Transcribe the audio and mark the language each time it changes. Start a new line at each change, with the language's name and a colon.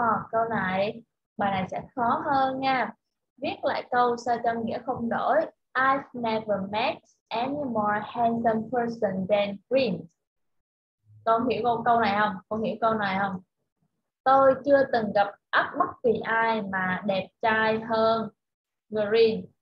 Vietnamese: Câu này, bài này sẽ khó hơn nha. Viết lại câu sao cho nghĩa không đổi.
English: I've never met any more handsome person than Green.
Vietnamese: Con hiểu câu này không? Con hiểu câu này không? Tôi chưa từng gặp bất kỳ ai mà đẹp trai hơn Green.